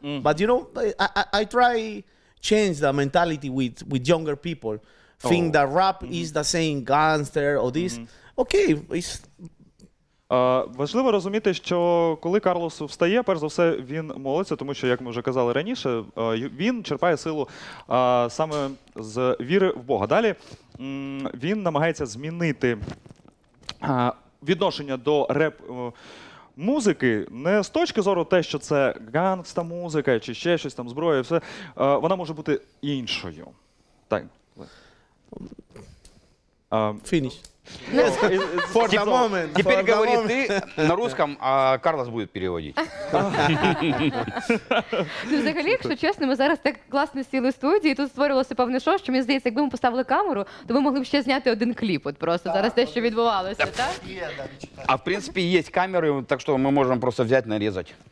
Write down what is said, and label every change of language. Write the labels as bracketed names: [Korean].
[English] But you know, I try change the mentality with younger people. Think that rap is the same gangster or this. Okay, it's [Ukrainian] Важливо розуміти, що коли Карлос встає, перш за все, він молиться, тому що, як ми вже казали раніше, він черпає силу саме з віри в Бога. Далі він намагається змінити відношення до реп-музики не з точки зору те, що це гангста-музика чи ще щось там, зброя і все, вона може бути іншою. Так. Фініш. [English] For the moment. [Russian] Теперь говори ты на русском, а Карлос будет переводить. [Ukrainian] Взагалі, якщо чесно, ми зараз так класно сіли в студії, тут створилося певне шоу, що мені здається, якби ми поставили камеру, то ми могли б ще зняти один кліп от просто зараз те, що відбувалося, так? А в принципі є камери, так що ми можемо просто взяти, нарізати.